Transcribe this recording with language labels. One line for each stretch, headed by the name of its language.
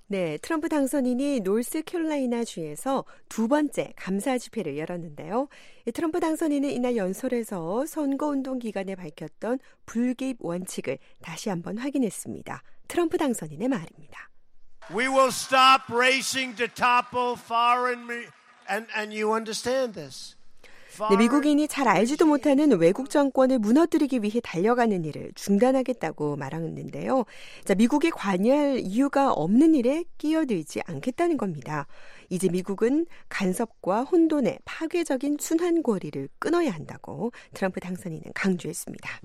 Korean: 네, 트럼프 당선인이 노스캐롤라이나주에서 두 번째 감사 집회를 열었는데요. 트럼프 당선인은 이날 연설에서 선거운동 기간에 밝혔던 불기입 원칙을 다시 한번 확인했습니다. 트럼프 당선인의 말입니다.
English: We will stop racing to topple foreign and you understand this.
Korean: 네, 미국인이 잘 알지도 못하는 외국 정권을 무너뜨리기 위해 달려가는 일을 중단하겠다고 말했는데요. 자, 미국이 관여할 이유가 없는 일에 끼어들지 않겠다는 겁니다. 이제 미국은 간섭과 혼돈의 파괴적인 순환고리를 끊어야 한다고 트럼프 당선인은 강조했습니다.